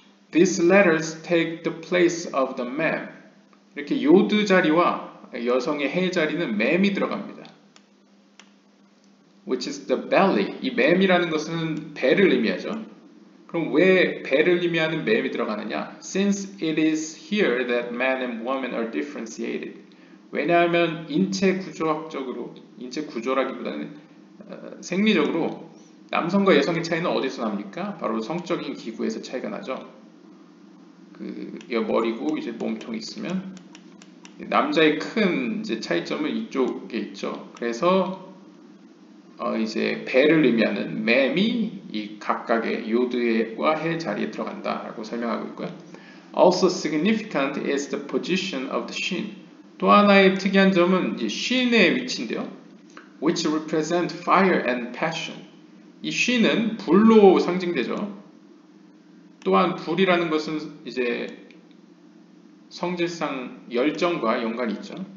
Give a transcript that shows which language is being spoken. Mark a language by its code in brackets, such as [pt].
[en] These letters take the place of the mem. [ko] 이렇게 요드 자리와 여성의 해 자리는 맴이 들어갑니다. [en] Which is the belly. [ko] 이 맴이라는 것은 배를 의미하죠. 그럼 왜 배를 의미하는 맴이 들어가느냐? [en] Since it is here that man and woman are differentiated. [ko] 왜냐하면 인체 구조라기보다는 생리적으로 남성과 여성의 차이는 어디서 납니까? 바로 성적인 기구에서 차이가 나죠. 여 머리고 이제 몸통이 있으면 남자의 큰 이제 차이점은 이쪽에 있죠. 그래서 이제 배를 의미하는 맴이 이 각각의 요드와 해 자리에 들어간다라고 설명하고 있고요. [en] Also significant is the position of the shin. [ko] 또 하나의 특이한 점은 이 shin의 위치인데요. [en] Which represent fire and passion. [ko] 이 shin은 불로 상징되죠. 또한 불이라는 것은 이제 성질상 열정과 연관이 있죠.